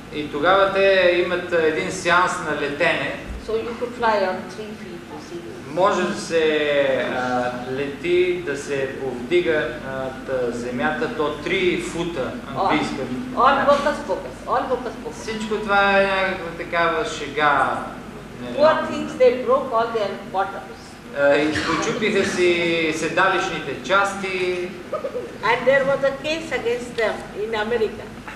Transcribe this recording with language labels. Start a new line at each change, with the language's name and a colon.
Bulgarian: И тогава те имат един сеанс на летене.
English: So you could fly on 3 feet, you see.
Bulgarian: Може да се лети, да се повдига над земята до 3 фута английска.
English: All focus.
Bulgarian: Всичко това е някаква такава шега.
English: Poor things, they broke all their bottoms.
Bulgarian: И почупиха си седалищните части.
English: And there was a case against them in America.